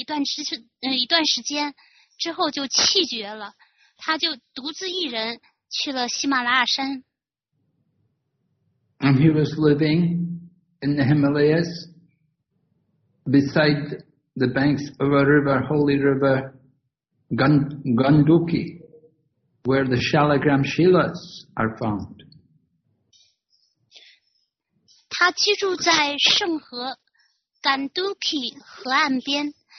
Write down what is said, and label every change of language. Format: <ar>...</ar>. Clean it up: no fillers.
<zh>巴拉特马哈拉统治世界一段时间。之后就弃绝了，他就独自一人去了喜马拉雅山。</zh> <en>And he was living in the Himalayas beside the banks of a river, holy river, Ganduki, where the Shalagram Shilas are found.</en> <zh>他居住在圣河，甘杜基河岸边。</zh>